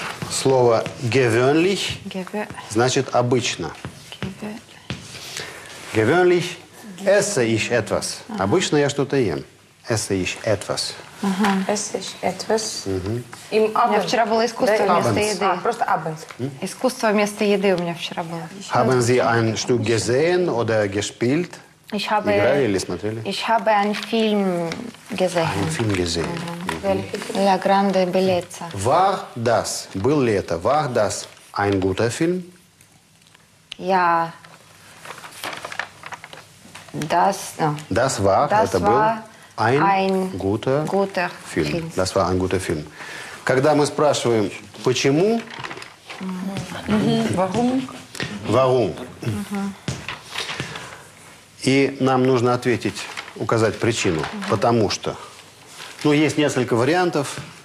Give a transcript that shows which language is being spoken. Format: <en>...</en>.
<ru>Слово gewöhnlich значит обычно.</ru> <de>Gewöhnlich. Esse ich etwas. Aha.</de> <ru>Обычно я что-то ем.</ru> <de>Esse ich etwas. Esse ich etwas. Im Abend.</de> <ru>У меня вчера было искусство вместо еды. Просто abends. Искусство вместо еды у меня вчера было.</ru> <de>Haben Sie ein Stück gesehen oder gespielt? Ich habe,</de> <ru>играли или смотрели?</ru> <de>Ich habe einen Film gesehen. Ein Film gesehen. La Grande Bellezza. War das,</de> <ru>был ли это,</ru> <de>war das ein guter Film? Ja. Das war,</de> <ru>это был</ru> <de>ein guter Film. Das war ein guter Film.</de> <ru>Когда мы спрашиваем, почему?</ru> <de>Warum? Warum?</de> <ru>И нам нужно ответить, указать причину. Потому что. Ну, есть несколько вариантов.</ru>